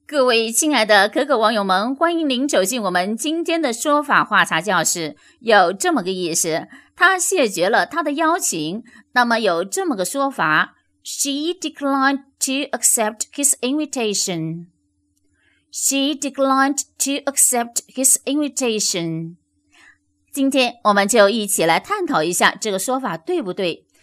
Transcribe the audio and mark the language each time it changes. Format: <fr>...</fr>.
<zh>各位亲爱的可可网友们，欢迎您走进我们今天的说法话茶教室。有这么个意思，他谢绝了他的邀请。那么有这么个说法，</zh> <en>She declined to accept his invitation. She declined to accept his invitation.</en> <zh>今天我们就一起来探讨一下这个说法对不对。</zh>